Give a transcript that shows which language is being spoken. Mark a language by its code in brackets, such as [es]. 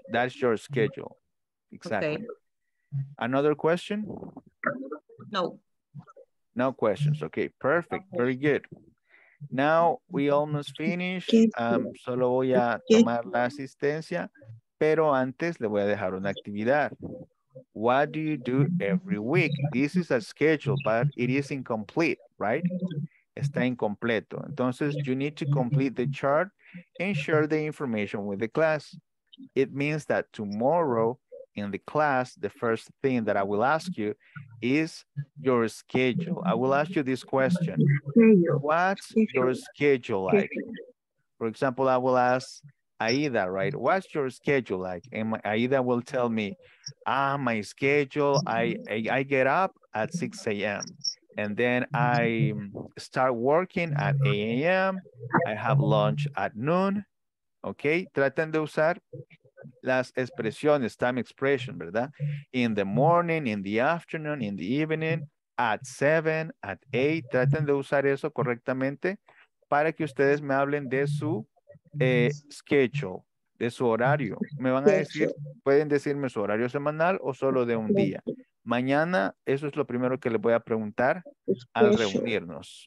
[en] That's your schedule. Exactly. Okay. Another question? No. No questions. Okay, perfect. Very good. Now we almost finished. [es] Solo voy a tomar la asistencia, pero antes le voy a dejar una actividad. [en] What do you do every week? This is a schedule, but it is incomplete, right? [es] Está incompleto. Entonces, [en] you need to complete the chart and share the information with the class. It means that tomorrow, in the class, the first thing that I will ask you is your schedule. I will ask you this question. What's your schedule like? For example, I will ask Aida, right? What's your schedule like? And Aida will tell me, my schedule, I get up at 6 a.m. And then I start working at 8 a.m. I have lunch at noon. [es] Okay, traten de usar las expresiones, [en] time expression, [es] ¿verdad? [en] In the morning, in the afternoon, in the evening, at 7, at 8. [es] Traten de usar eso correctamente para que ustedes me hablen de su schedule, de su horario. Me van a decir, pueden decirme su horario semanal o solo de un día. Mañana, eso es lo primero que les voy a preguntar al reunirnos.